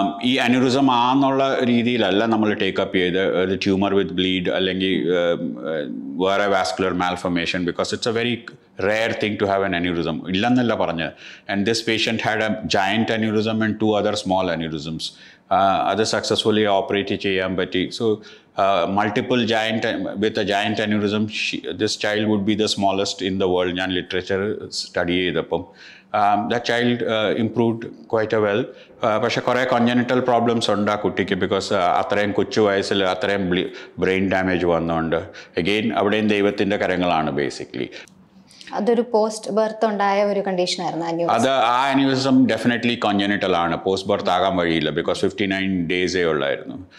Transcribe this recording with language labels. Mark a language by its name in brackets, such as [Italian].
[Malayalam] ഈ അനുരുസം ആന്നുള്ള രീതിയിലല്ല നമ്മൾ ടേക്കപ്പ് ചെയ്ത്, ഒരു ട്യൂമർ വിത്ത് ബ്ലീഡ് അല്ലെങ്കിൽ വേറെ vascular മാൽഫർമേഷൻ, [English] Because it's a very rare thing to have an aneurysm. [Malayalam] ഇല്ലെന്നല്ല പറഞ്ഞത്. [English] And this patient had a giant aneurysm and 2 other small aneurysms. [Malayalam] അത് സക്സസ്ഫുള്ളി ഓപ്പറേറ്റ് ചെയ്യാൻ പറ്റി. [English] So multiple giant with a giant aneurysm, this child would be the smallest in the world. [Malayalam] ഞാൻ literature study ചെയ്തപ്പം [English] that child improved quite well. [Malayalam] പക്ഷെ കുറേ congenital problems ഉണ്ട് ആ കുട്ടിക്ക്, ബിക്കോസ് അത്രയും കൊച്ചു വയസ്സിൽ അത്രയും ബ്രെയിൻ ഡാമേജ് വന്നുകൊണ്ട്. അഗെയിൻ അവിടെയും ദൈവത്തിൻ്റെ കരങ്ങളാണ് ബേസിക്കലി. അതൊരു പോസ്റ്റ് ബർത്ത് ഉണ്ടായ ഒരു കണ്ടീഷൻ ആയിരുന്നു. അത് ആ അനുവിസം ഡെഫിനറ്റ്ലി കോൺജനിറ്റൽ ആണ്, പോസ്റ്റ് ബർത്ത് ആകാൻ വഴിയില്ല, ബിക്കോസ് 59 ഡേയ്സേ ഉള്ളായിരുന്നു.